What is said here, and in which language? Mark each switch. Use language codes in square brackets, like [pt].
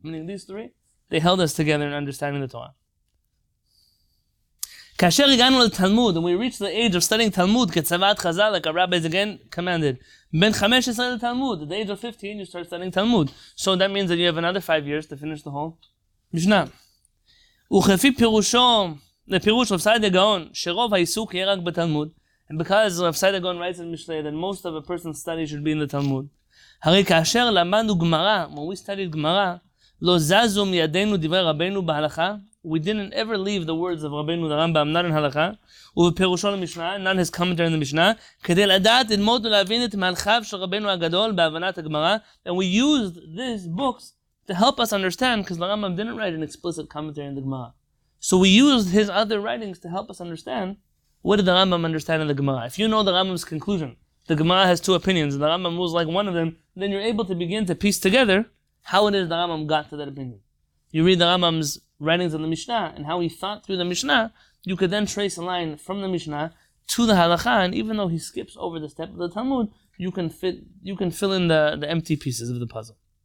[en] Meaning these three, they held us together in understanding the Torah. [he] כאשר הגענו לתלמוד, [en] and we reached the age of studying Talmud, [he] כצוות חז"ל, [en] like our rabbis again commanded, [he] בן 15 לתלמוד, [en] at the age of 15, you start studying Talmud. So that means that you have another 5 years to finish the whole משנה. [he] וכפי פירושו, לפירוש רב סעדיה גאון, שרוב העיסוק יהיה רק בתלמוד, [en] and because רב סעדיה גאון writes in Mishlei that most of a person's study should be in the Talmud, [he] הרי כאשר למדנו גמרא, [en] when we studied גמרא, [he] לא זזו מידינו דברי רבנו בהלכה, [en] we didn't ever leave the words of רבנו הרמב״ם, not in הלכה, [he] ובפירושו למשנה, [en] not his commentary in the Mishnah, [he] כדי לדעת, ללמוד ולהבין את מהלכיו של רבנו הגדול בהבנת הגמרא, [en] and we used these books to help us understand, because the Rambam didn't write an explicit commentary in the Gemara. So we used his other writings to help us understand what did the Rambam understand in the Gemara. If you know the Rambam's conclusion, the Gemara has two opinions, and the Rambam rules like one of them, then you're able to begin to piece together how it is the Rambam got to that opinion. You read the Rambam's writings on the Mishnah, and how he thought through the Mishnah, you could then trace a line from the Mishnah to the Halakha, and even though he skips over the step of the Talmud, you can fill in the empty pieces of the puzzle.